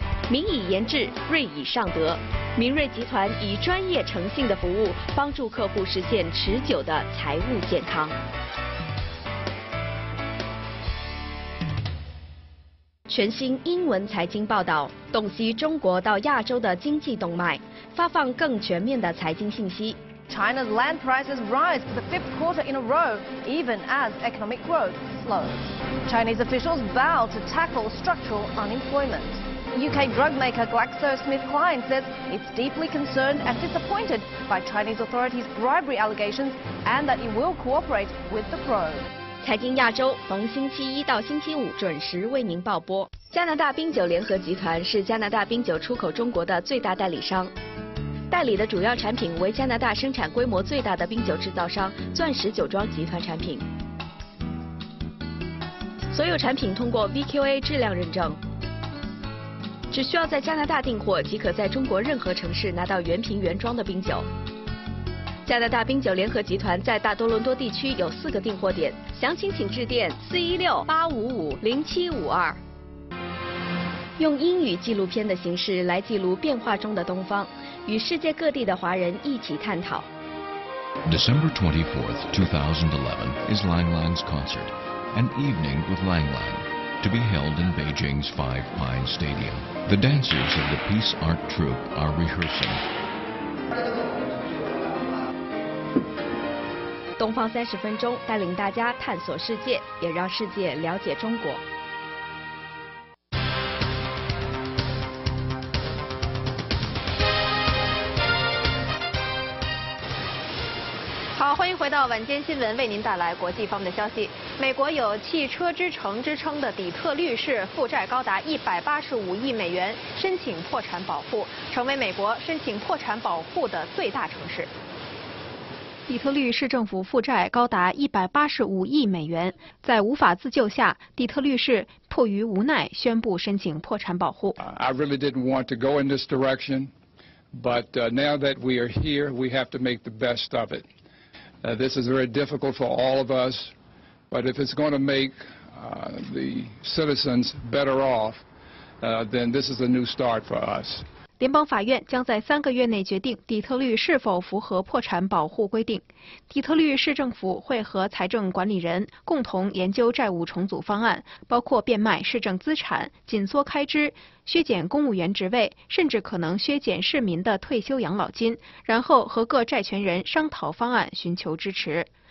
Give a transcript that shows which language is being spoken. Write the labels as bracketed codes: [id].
[zh] 民以言治，瑞以上德。明瑞集团以专业诚信的服务，帮助客户实现持久的财务健康。全新英文财经报道，洞悉中国到亚洲的经济动脉，发放更全面的财经信息。 [en] China's land prices rise for the fifth quarter in a row, even as economic growth slows. Chinese officials vow to tackle structural unemployment. UK drug maker GlaxoSmithKline says it's deeply concerned and disappointed by Chinese authorities' bribery allegations and that it will cooperate with the probe. [zh] 财经亚洲逢星期一到星期五准时为您报播。加拿大冰酒联合集团是加拿大冰酒出口中国的最大代理商，代理的主要产品为加拿大生产规模最大的冰酒制造商钻石酒庄集团产品，所有产品通过 VQA 质量认证，只需要在加拿大订货即可在中国任何城市拿到原瓶原装的冰酒。加拿大冰酒联合集团在大多伦多地区有四个订货点，详情请致电416-855-0752。用英语纪录片的形式来记录变化中的东方，与世界各地的华人一起探讨。 [en] December 24th, 2011 is Lang Lang's concert, an evening with Lang Lang, to be held in Beijing's Five Pine Stadium. The dancers of the Peace Art Troupe are rehearsing. [zh] 东方三十分钟带领大家探索世界，也让世界了解中国。好，欢迎回到晚间新闻，为您带来国际方面的消息。美国有汽车之城之称的底特律市负债高达185亿美元，申请破产保护，成为美国申请破产保护的最大城市。底特律市政府负债高达185亿美元，在无法自救下，底特律市迫于无奈宣布申请破产保护。 [en] I really didn't want to go in this direction, but now that we are here, we have to make the best of it. This is very difficult for all of us, but if it's going to make the citizens better off, then this is a new start for us. [zh] 联邦法院将在三个月内决定底特律是否符合破产保护规定。底特律市政府会和财政管理人共同研究债务重组方案，包括变卖市政资产、紧缩开支、削减公务员职位，甚至可能削减市民的退休养老金，然后和各债权人商讨方案，寻求支持。